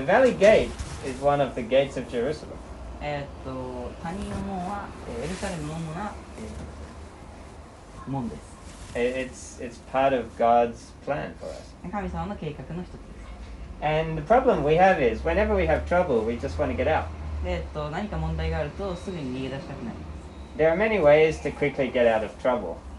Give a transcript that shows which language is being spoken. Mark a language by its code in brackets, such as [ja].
[en] The Valley Gate is one of the gates of Jerusalem. [ja] 谷の門は、エルサレムの主な、門です。 [en] It's part of God's plan for us. [ja] 神様の計画の一つです。 [en] And the problem we have is, whenever we have trouble, we just want to get out. [ja] 何か問題があるとすぐに逃げ出したくなります。 [en] There are many ways to quickly get out of trouble.